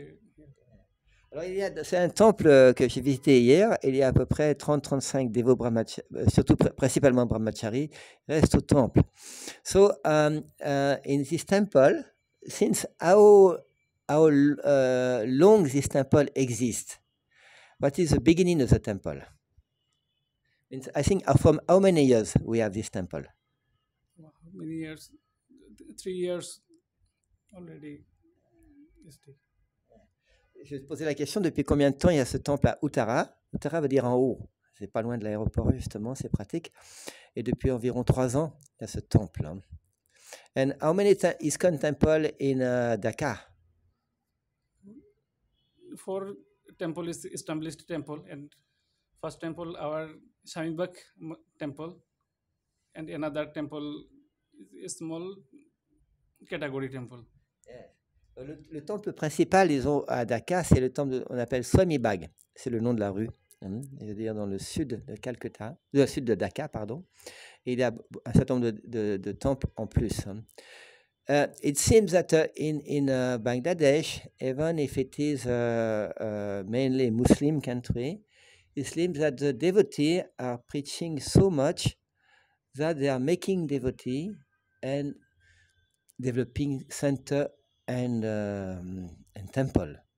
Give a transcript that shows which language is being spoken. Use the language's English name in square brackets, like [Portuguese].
[French] here. Alors, c'est un temple que j'ai visité hier. Il y a à peu près 30-35 dévots brahmachari, surtout principalement brahmachari, restent au temple. [English] So, in this temple, since how long this temple exists? What is the beginning of the temple? It's, I think from how many years we have this temple? How many years? 3 years already. [French] Je vais te poser la question, depuis combien de temps il y a ce temple à Uttara? Uttara veut dire en haut, c'est pas loin de l'aéroport justement, c'est pratique. Et depuis environ 3 ans, il y a ce temple. [English] And how many ISKCON temple in Dacca? 4 temple is established temple, and first temple our Shamibak temple, and another temple is a small category temple. [French] Le temple principal, ils ont à Dacca, c'est le temple qu'on appelle Swamibag, c'est le nom de la rue, c'est-à-dire dans le sud de Calcutta, le sud de Dacca, pardon. Et il y a un certain nombre de temples en plus. [English] It seems that in Bangladesh, even if it is mainly Muslim country, it seems that the devotees are preaching so much that they are making devotees and developing center and temple.